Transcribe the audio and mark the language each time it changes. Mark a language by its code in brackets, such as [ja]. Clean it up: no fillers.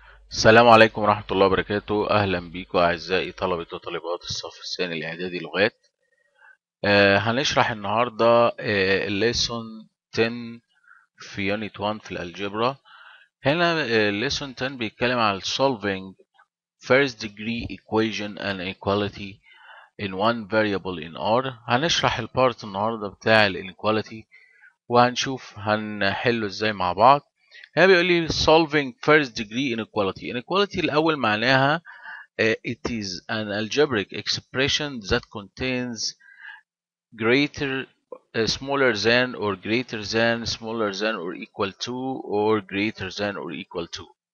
[ar] السلام عليكم ورحمة الله وبركاته. أهلا بكم أعزائي طلبة وطالبات الصف الثاني الإعدادي لغات. هنشرح النهاردة الليسون 10 في يونيت 1 في الألجبرا. هنا الليسون 10 بيتكلم على [en] solving first degree equation and inequality in one variable in R. [ar] هنشرح البارت النهاردة بتاع الإنكواليتي وهنشوف هنحله إزاي مع بعض. هنا بيقول لي [en] solving first degree inequality. Inequality [ar] الأول معناها [en] it is an algebraic expression that contains greater smaller than or greater than smaller than or equal to or greater than or equal to.